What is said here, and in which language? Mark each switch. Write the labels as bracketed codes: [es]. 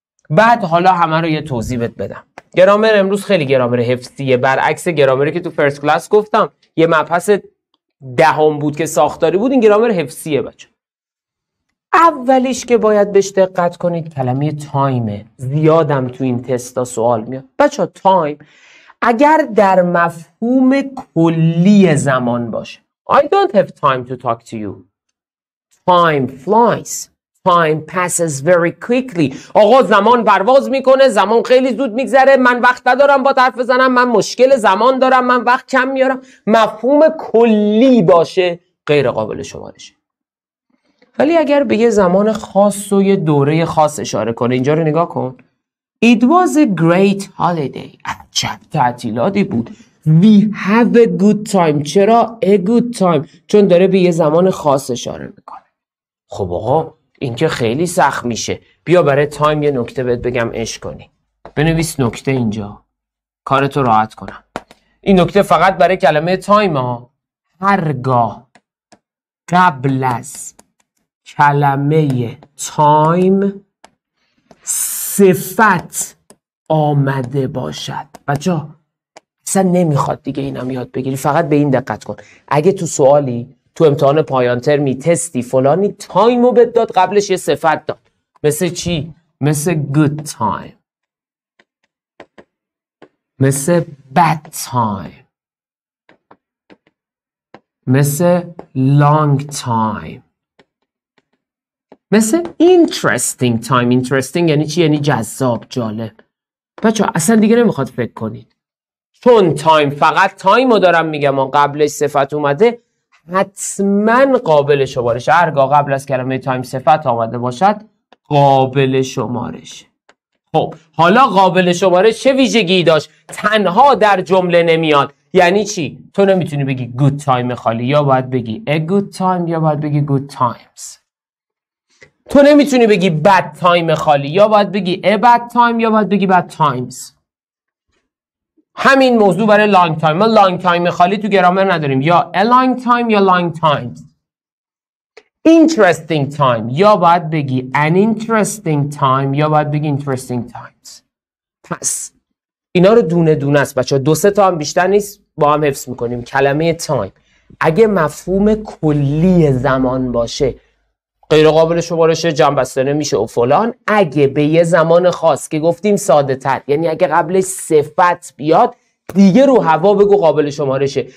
[fa] بعد حالا همه رو یه توضیح بهت بدم. گرامر امروز خیلی گرامر حفظیه، برعکس گرامری که تو فرست کلاس گفتم یه مبحث دهم بود که ساختاری بود، این گرامر حفظیه بچه. اولیش که باید بهش دقت کنید کلمه تایمه. زیادم تو این تستا سوال میاد بچه ها. تایم اگر در مفهوم کلی زمان باشه، [en] I don't have time to talk to you. Time flies. Time passes very quickly. [fa] آقا زمان پرواز میکنه، زمان خیلی زود میگذره، من وقت ندارم با طرف زنم، من مشکل زمان دارم، من وقت کم میارم. مفهوم کلی باشه غیر قابل شمارش. ولی اگر به یه زمان خاص و یه دوره خاص اشاره کنه، اینجا رو نگاه کن. [en] It was a great holiday. [fa] عجب تعطیلاتی بود. [en] We have a good time. [fa] چرا a good time؟ چون داره به یه زمان خاص اشاره میکنه. خب آقا این که خیلی سخت میشه. بیا برای تایم یه نکته بهت بگم، عشق کنی. بنویس نکته اینجا. کارتو راحت کنم. این نکته فقط برای کلمه تایم ها. هرگاه قبل از کلمه تایم صفت آمده باشد. بچه اصلا نمیخواد دیگه اینم یاد بگیری، فقط به این دقت کن. اگه تو سوالی، تو امتحان پایان ترمی، تستی، فلانی، تایمو بد داد قبلش یه صفت داد. مثل چی؟ مثل good time، مثل bad time، مثل long time، مثل interesting time. interesting یعنی چی؟ یعنی جذاب، جالب. بچه اصلا دیگه نمیخواد فکر کنید، چون تایم فقط تایمو دارم میگم و قبلش صفت اومده، حتما قابل شمارش. هرگاه قبل از کلمه تایم صفت آمده باشد قابل شمارش. خب حالا قابل شمارش چه ویژگی داشت؟ تنها در جمله نمیاد. یعنی چی؟ تو نمیتونی بگی good time خالی، یا باید بگی [en] a good time، [fa] یا باید بگی good times. تو نمیتونی بگی bad time خالی، یا باید بگی [en] a bad time، [fa] یا باید بگی bad times. همین موضوع برای long time. ما long time خالی تو گرامر نداریم، یا a long time یا long times. interesting time یا باید بگی an interesting time، یا باید بگی interesting times. پس اینا رو دونه دونه است بچه ها، دو سه تا هم بیشتر نیست، با هم حفظ میکنیم. کلمه time اگه مفهوم کلی زمان باشه، غیر قابل شمارش، جنبسته نمیشه و فلان، اگه به یه زمان خاص که گفتیم ساده تر، یعنی اگه قبلش صفت بیاد دیگه رو هوا بگو قابل شمارشه.